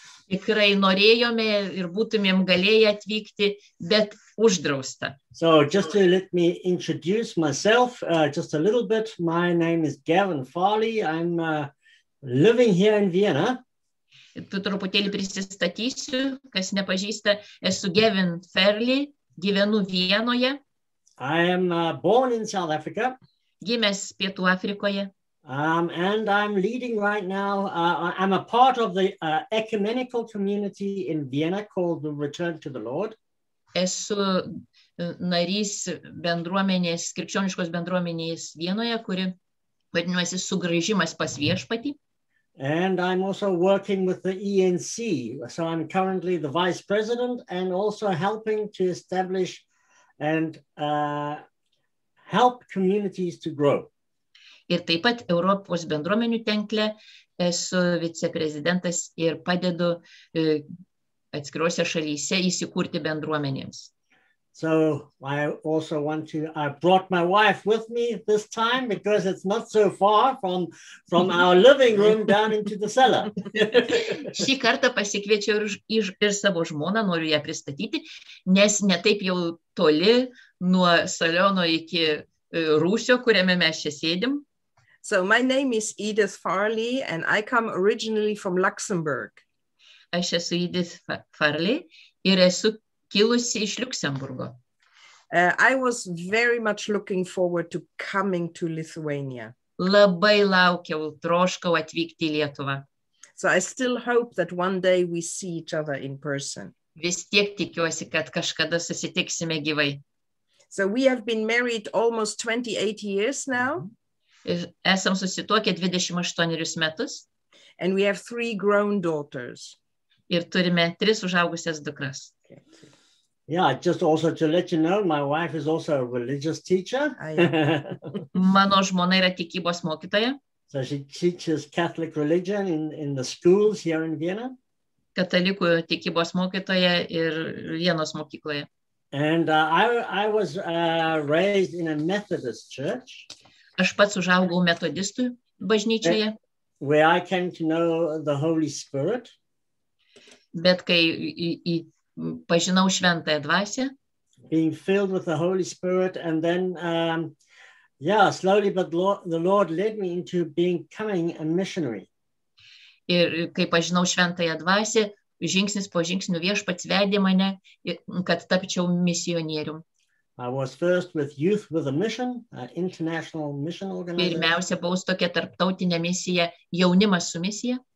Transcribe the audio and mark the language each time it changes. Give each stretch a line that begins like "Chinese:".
Lithuanian: Tikrai norėjome ir būtumėm galėję atvykti, bet uždrausta.
English: So just to let me introduce myself just a little bit. My name is Gavin Farley. I'm living here in Vienna.
Lithuanian: Tu truputėlį prisistatysiu, kas nepažįsta, esu Gavin Farley, gyvenu Vienoje.
English: I am born in South Africa.
Lithuanian: Gimęs Pietų Afrikoje.
English: And I'm leading right now, I'm a part of the ecumenical community in Vienna called the Return to the Lord.
Lithuanian: Esu narys bendruomenės, krikščioniškos bendruomenės Vienoje, kuri vadinasi sugrįžimas pas viešpatį.
English: And I'm also working with the ENC, so I'm currently the vice president and also helping to establish and help communities to grow.
Lithuanian: Ir taip pat Europos bendruomenių tinkle esu viceprezidentas ir padedu atskirose šalyse įsikurti bendruomenėms.
English: So I also want to, I brought my wife with me this time because it's not so far from our living room down into the cellar.
Lithuanian: Šį kartą pasikviečiau ir savo žmoną, noriu ją pristatyti, nes ne taip jau toli nuo saliono iki rūsio, kuriame mes čia sėdim.
English: So my name is Edith Farley and I come originally from Luxembourg.
Lithuanian: Aš esu Edith Farley ir esu kilusi iš Liuksemburgo.
English: I was very much looking forward to coming to Lithuania.
Lithuanian: Labai laukiau, troškau atvykti į Lietuvą.
English: So I still hope that one day we see each other in person.
Lithuanian: Vis tiek tikiuosi, kad kažkada susitiksime gyvai.
English: So we have been married almost 28 years now.
Lithuanian: Esam susituokę 28 metus.
English: And we have three grown daughters.
Lithuanian: Ir turime tris užaugusias dukras.
English: Yeah, just also to let you know, my wife is also a religious teacher.
Lithuanian: Mano žmona yra tikybos mokytoja.
English: So she teaches Catholic religion in the schools here in Vienna.
Lithuanian: Katalikų tikybos mokytoja ir Vienos mokykloje.
English: And I was raised in a Methodist church.
Lithuanian: Aš pats užaugau metodistų bažnyčioje.
English: Where I came to know the Holy Spirit.
Lithuanian: Bet kai į pažinau šventąją dvasią.
English: Being filled with the Holy Spirit and then, slowly but the Lord led me into becoming a missionary.
Lithuanian: Ir kai pažinau šventąją dvasią, žingsnis po žingsniu viešpats vedė mane, kad tapčiau misionierium.
English: I was first with Youth with a Mission, an international mission organization.
Lithuanian: Pirmiausia buvau tokia tarptautinė misija, jaunimas su misija.